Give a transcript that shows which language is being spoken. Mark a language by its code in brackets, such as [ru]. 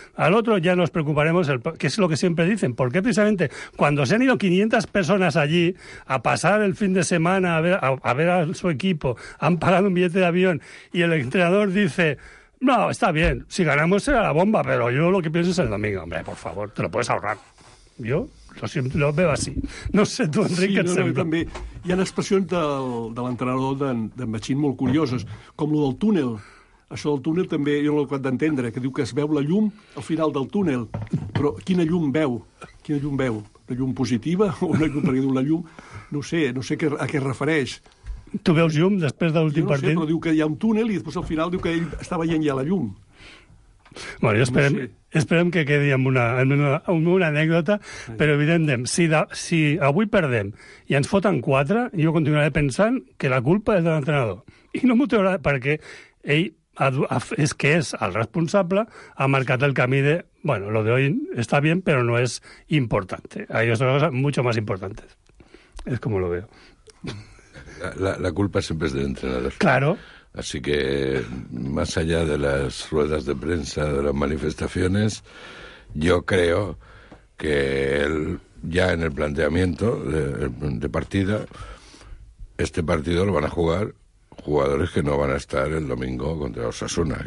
[es] Al otro ya nos preocuparemos, que es lo que siempre dicen. Porque precisamente cuando se han ido 500 personas allí a pasar el fin de semana a ver a su equipo, han pagado un billete de avión y el entrenador dice... No, está bien. Si ganamos será la bomba, pero yo lo que pienso es el domingo. Hombre, por favor, te lo puedes ahorrar. Yo lo veo así. No sé tu Enrique. [ca] Sí, no, també hi ha expressions de l'entrenador de Machín molt curioses, com lo del túnel. Això del túnel també jo no ho he acabat d'entendre, que diu que es veu la llum al final del túnel. Però quina llum veu? Quina llum veu? La llum positiva o una llum perquè diu la llum? No sé a què es refereix. Tu veus llum després de l'últim partit? Jo no sé, però diu que hi ha un túnel i després al final diu que ell està veient ja la llum. Bueno, jo esperem que quedi amb una anècdota, però evidentment, si avui perdem i ens foten quatre, jo continuaré pensant que la culpa és de l'entrenador. I no m'ho treurà perquè ell és que és el responsable, ha marcat el camí de... [es] Bueno, lo de hoy está bien, pero no es importante. Hay otras cosas mucho más importantes. Es como lo veo. La culpa siempre es del entrenador. Claro. Así que, más allá de las ruedas de prensa, de las manifestaciones, yo creo que él, ya en el planteamiento de partida, este partido lo van a jugar jugadores que no van a estar el domingo contra Osasuna.